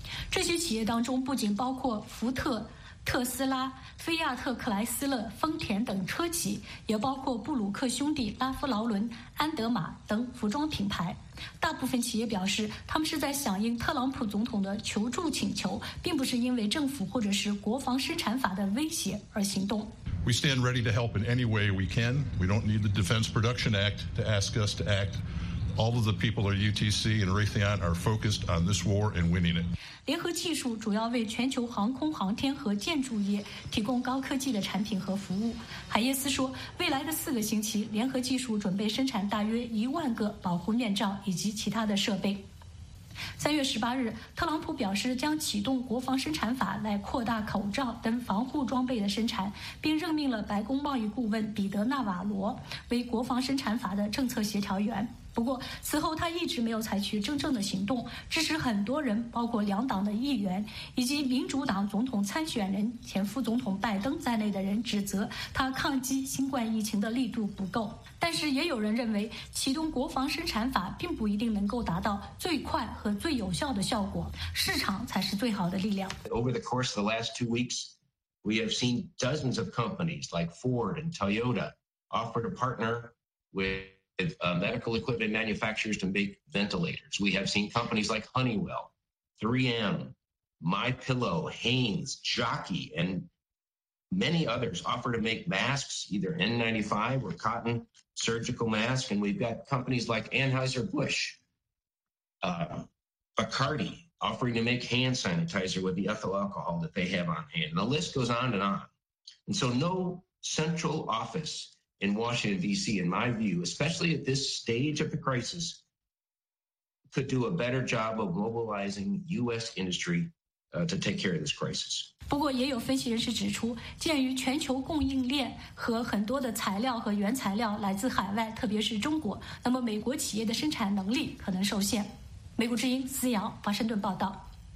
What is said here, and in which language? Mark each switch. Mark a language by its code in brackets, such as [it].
[zh] 这些企业当中不仅包括福特、特斯拉、菲亚特克莱斯勒、丰田等车企，也包括布鲁克兄弟、拉夫劳伦、安德玛等服装品牌。大部分企业表示，他们是在响应特朗普总统的求助请求，并不是因为政府或者是国防生产法的威胁而行动。 [en] We stand ready to help in any way we can. We don't need the Defense Production Act to ask us to act. All of the people at UTC and Raytheon are focused on this war and winning it. [zh] 联合技术主要为全球航空航天和建筑业提供高科技的产品和服务。海耶斯说，未来的4个星期，联合技术准备生产大约10000个保护面罩以及其他的设备。 3月18日，特朗普表示将启动国防生产法来扩大口罩等防护装备的生产，并任命了白宫贸易顾问彼得·纳瓦罗为国防生产法的政策协调员。不过此后他一直没有采取真正的行动，致使很多人，包括两党的议员以及民主党总统参选人前副总统拜登在内的人，指责他抗击新冠疫情的力度不够。但是也有人认为，启动国防生产法并不一定能够达到最快和最有效的效果，市场才是最好的力量。 [en] Over the course of the last 2 weeks, we have seen dozens of companies like Ford and Toyota offer to partner with medical equipment manufacturers to make ventilators. We have seen companies like Honeywell, 3M, MyPillow, Hanes, Jockey, and many others offer to make masks, either N95 or cotton surgical masks. And we've got companies like Anheuser-Busch, Bacardi, offering to make hand sanitizer with the ethyl alcohol that they have on hand. And the list goes on and on. And so no central office. In Washington, D.C., in my view, especially at this stage of the crisis, could do a better job of mobilizing U.S. industry, to take care of this crisis. [zh] 不过也有分析人士指出，鉴于全球供应链和很多的材料和原材料来自海外，特别是中国，那么美国企业的生产能力可能受限。美国之音思瑶，华盛顿报道。